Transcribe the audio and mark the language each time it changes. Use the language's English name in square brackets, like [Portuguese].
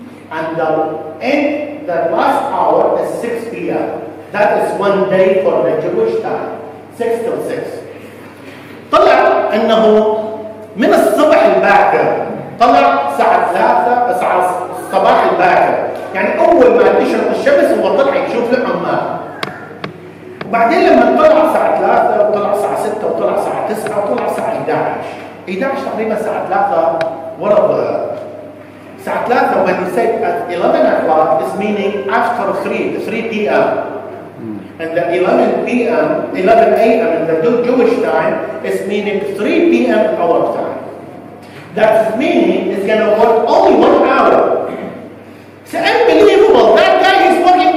[English] and the end the last hour is 6 p.m. that is one day for the Jewish time 6 to 6. [Arabic] طلع أنه من الصبح الباكر طلع ساعة 3 ساعة الصباح الباكر، يعني أول ما تشرق الشمس هو طلع يشوف العمال. وبعدين لما طلع ساعة 3 وطلع ساعة 6 وطلع ساعة 9 وطلع ساعة 11 تقريبا ساعة 3 ورا الظهر. ساعة 3 [English] when you say at 11 o'clock is meaning after 3 p.m. And the 11 p.m. 11 a.m. in the Jewish time is meaning 3 p.m. our time. That meaning is going to work only 1 hour. It's unbelievable. That guy is working.